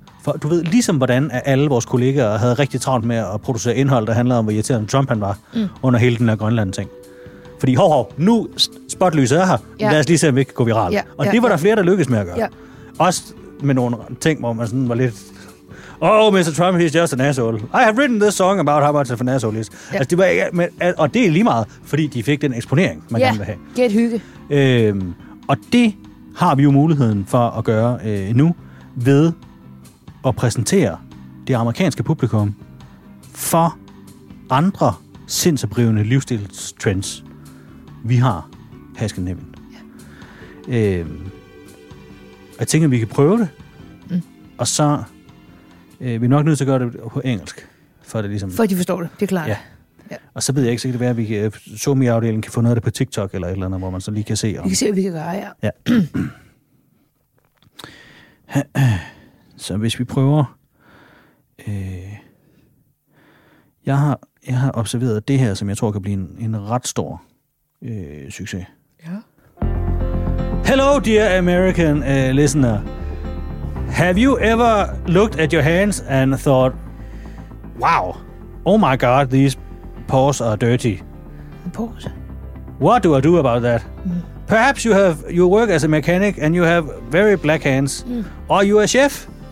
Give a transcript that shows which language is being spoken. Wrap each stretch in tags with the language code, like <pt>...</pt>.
<da>For du ved, ligesom hvordan alle vores kollegaer havde rigtig travlt med at producere indhold, der handlede om, hvor irriterende Trump han var, under hele den her Grønland-ting. Fordi hov, nu spotlyset er her, ja, lad os lige se, om vi ikke kan gå viralt. Ja, og ja, det var der, ja, flere, der lykkedes med at gøre. Ja. Også med nogle ting, hvor man sådan var lidt...</da> <en>Oh, Mr. Trump, he's just an asshole. I have written this song about how much of an asshole is.</en> <da>Ja. Altså, det var, og det er lige meget, fordi de fik den eksponering, man, ja, gerne vil have. Ja, get hygge. Og det har vi jo muligheden for at gøre nu, ved at præsentere det amerikanske publikum for andre sindsoprivende livsstilstrends, vi har her i Skandinavien. Ja. Jeg tænker, at vi kan prøve det, og så vi er nok nødt til at gøre det på engelsk, for det ligesom... For at de forstår det, det er klart. Ja. Og så ved jeg ikke, så kan det være, at vi i Zoom-afdelingen kan få noget af det på TikTok eller et eller andet, hvor man så lige kan se. Vi kan se, hvad vi kan gøre, ja. Ja. Så hvis vi prøver... Jeg har observeret det her, som jeg tror kan blive en ret stor succes. Ja.</da> <en>Hello, dear American listener. Have you ever looked at your hands and thought, wow, oh my god, these paws are dirty. Paws? What do I do about that? Mm. Perhaps you work as a mechanic and you have very black hands. Mm. Are you a chef?</en>